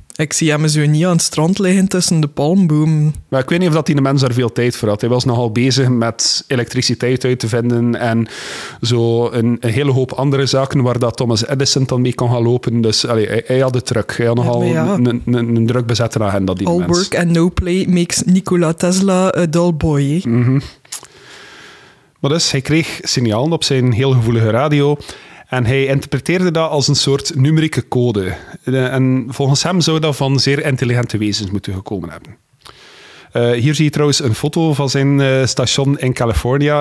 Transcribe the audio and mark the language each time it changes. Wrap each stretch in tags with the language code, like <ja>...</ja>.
<nl>Ik zie hem zo niet aan het strand liggen tussen de palmbomen. Maar ik weet niet of die mens daar veel tijd voor had. Hij was nogal bezig met elektriciteit uit te vinden en zo een hele hoop andere zaken waar dat Thomas Edison dan mee kon gaan lopen. Dus allee, hij had de druk. Hij had nogal een druk bezette agenda, die All mens.</nl> <en>Work and no play makes Nikola Tesla a dull boy. Mm-hmm.</en> <nl>Maar dus, hij kreeg signalen op zijn heel gevoelige radio. En hij interpreteerde dat als een soort numerieke code. En volgens hem zou dat van zeer intelligente wezens moeten gekomen hebben. Hier zie je trouwens een foto van zijn station in California.</nl>